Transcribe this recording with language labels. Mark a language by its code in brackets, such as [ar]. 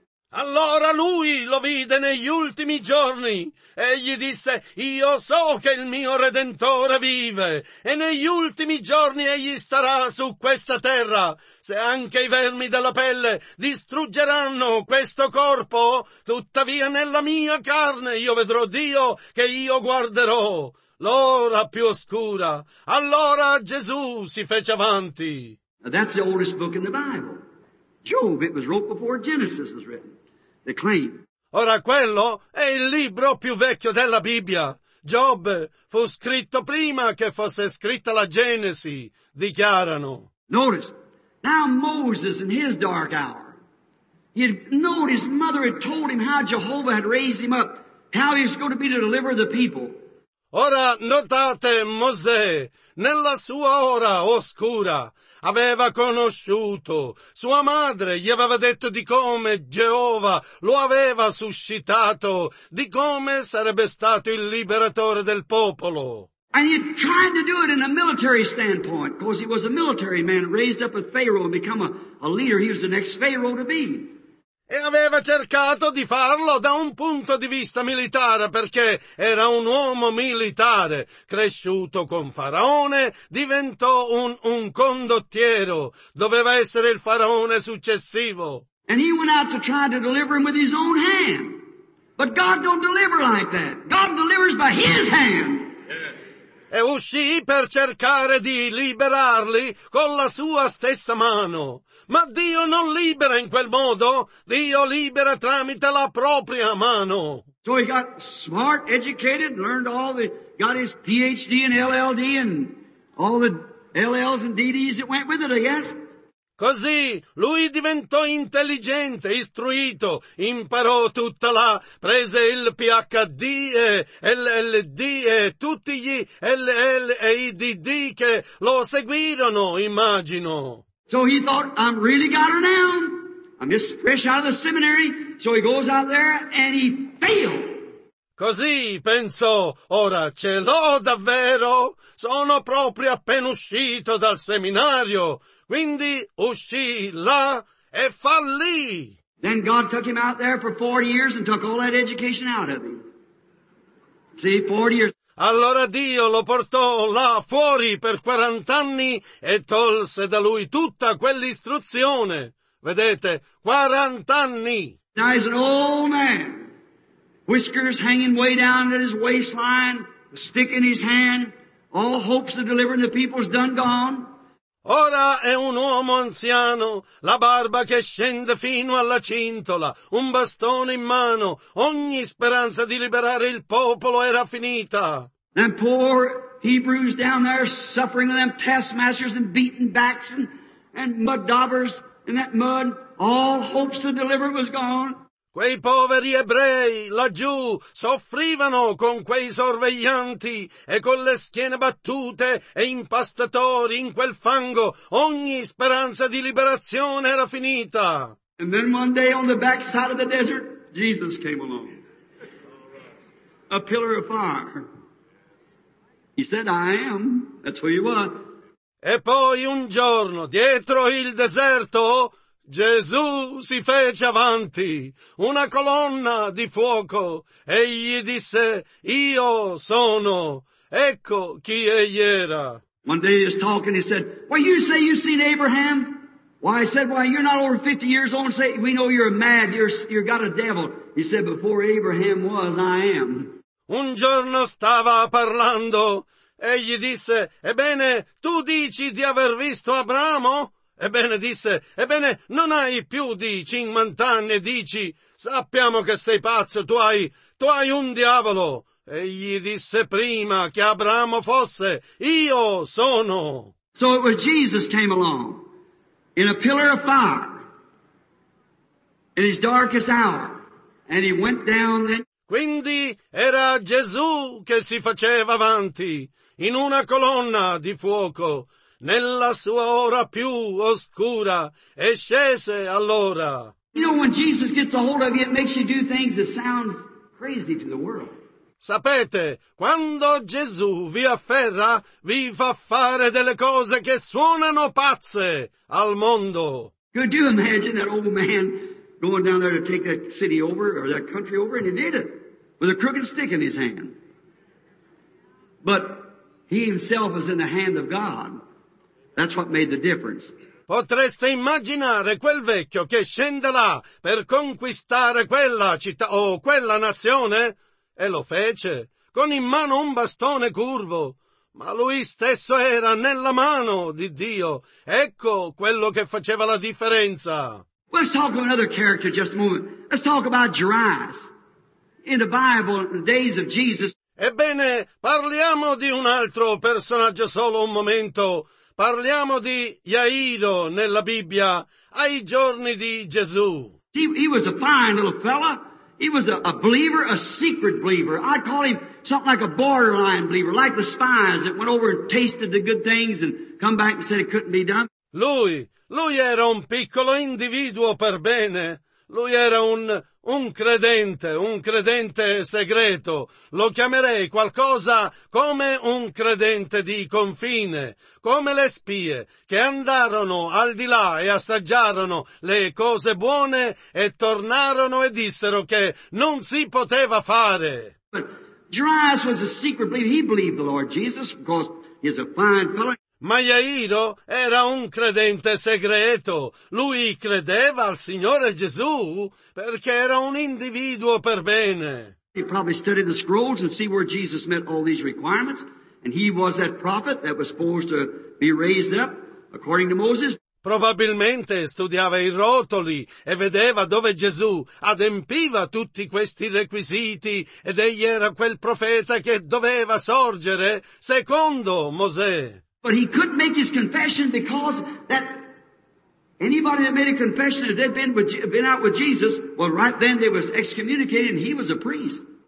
[it] Allora lui lo vide negli ultimi giorni, e gli disse, io so che il mio Redentore vive, e negli ultimi giorni egli starà su questa terra. Se anche i vermi della pelle distruggeranno questo corpo, tuttavia nella mia carne io vedrò Dio che io guarderò. L'ora più oscura, allora Gesù si fece avanti. [en] Now that's the oldest book in the Bible. Job, it was wrote before Genesis was written. The claim. [it] Ora quello è il libro più vecchio della Bibbia. Giobbe fu scritto prima che fosse scritta la Genesi, dichiarano. [en] Notice, now Moses in his dark hour, he had known his mother had told him how Jehovah had raised him up, how he was going to be to deliver the people. [it] Ora notate Mosè, nella sua ora oscura, aveva conosciuto, sua madre gli aveva detto di come Geova lo aveva suscitato, di come sarebbe stato il liberatore del popolo. [en] And he tried to do it in a military standpoint, because he was a military man, raised up with Pharaoh and become a leader, he was the next Pharaoh to be. [it] E aveva cercato di farlo da un punto di vista militare, perché era un uomo militare, cresciuto con Faraone, diventò un condottiero, doveva essere il Faraone successivo. [en] And he went out to try to deliver him with his own hand. But God don't deliver like that. God delivers by His hand. [it] E uscì per cercare di liberarli con la sua stessa mano. Ma Dio non libera in quel modo. Dio libera tramite la propria mano. [en] So he got smart, educated, learned all the, got his PhD and LLD and all the LLs and DDs that went with it, I guess. [it] Così lui diventò intelligente, istruito, imparò tutta la, prese il PhD e LLD e tutti gli LL e IDD che lo seguirono, immagino. [en] So he thought, I'm really got her now. I'm just fresh out of the seminary. So he goes out there and he failed. [it] Così pensò, ora ce l'ho davvero? Sono proprio appena uscito dal seminario. Quindi uscì là e fallì. [en] Then God took him out there for 40 years and took all that education out of him. See, 40 years. [it] Allora Dio lo portò là fuori per 40 anni e tolse da lui tutta quell'istruzione. Vedete, 40 anni. [en] Now he's an old man. Whiskers hanging way down at his waistline, a stick in his hand, all hopes of delivering the people's done gone. [it] Ora è un uomo anziano, la barba che scende fino alla cintola, un bastone in mano, ogni speranza di liberare il popolo era finita. [en] And poor Hebrews down there suffering with them taskmasters and beaten backs and mud daubers in that mud, all hopes of deliver was gone. [it] Quei poveri ebrei laggiù soffrivano con quei sorveglianti e con le schiene battute e impastatori in quel fango. Ogni speranza di liberazione era finita. [en] And then one day on the back side of the desert, Jesus came along. A pillar of fire. He said, I am. That's who you are. [it] E poi un giorno, dietro il deserto, Gesù si fece avanti, una colonna di fuoco, e gli disse, io sono, ecco chi egli era. [en] One day he was talking, he said, well, you say you've seen Abraham? Well, I said, well, you're not over 50 years old, say, we know you're mad, you're got a devil. He said, before Abraham was, I am. [it] Un giorno stava parlando, e gli disse, ebbene, tu dici di aver visto Abramo? Ebbene, disse, ebbene, non hai più di 50 anni e dici, sappiamo che sei pazzo, tu hai un diavolo. E gli disse prima che Abramo fosse, io sono. [en] So it was Jesus came along, in a pillar of fire, in his darkest hour, and he went down then. [it] Quindi era Gesù che si faceva avanti, in una colonna di fuoco, nella sua ora più oscura, e scese allora. [en] You know, when Jesus gets a hold of you, it makes you do things that sound crazy to the world. [it] Sapete, quando Gesù vi afferra, vi fa fare delle cose che suonano pazze al mondo. [en] Could you imagine that old man going down there to take that city over, or that country over, and he did it, with a crooked stick in his hand. But he himself is in the hand of God. That's what made the difference. [it] Potreste immaginare quel vecchio che scende là per conquistare quella città o quella nazione? E lo fece, con in mano un bastone curvo. Ma lui stesso era nella mano di Dio. Ecco quello che faceva la differenza. [en] Let's talk about another character just a moment. Let's talk about Jairus. In the Bible, in the days of Jesus. [it] Ebbene, parliamo di un altro personaggio solo un momento. Parliamo di Jairo nella Bibbia, ai giorni di Gesù. [en] He was a fine little fella. He was a believer, a secret believer. I call him something like a borderline believer, like the spies that went over and tasted the good things and come back and said it couldn't be done. [it] Lui era un piccolo individuo per bene. Lui era un credente segreto. Lo chiamerei qualcosa come un credente di confine, come le spie che andarono al di là e assaggiarono le cose buone e tornarono e dissero che non si poteva fare. [en] But Jairus was a secret believer. He believed the Lord Jesus because he's a fine fellow. [it] Ma Jairo era un credente segreto. Lui credeva al Signore Gesù perché era un individuo per bene. [en] He probably studied the scrolls and see where Jesus met all these requirements, and he was that prophet that was supposed to be raised up according to Moses. [it] Probabilmente studiava i rotoli e vedeva dove Gesù adempiva tutti questi requisiti ed egli era quel profeta che doveva sorgere secondo Mosè. [en] But he couldn't make his confession because that anybody that made a confession if they'd been out with Jesus, well right then they was excommunicated and he was a priest.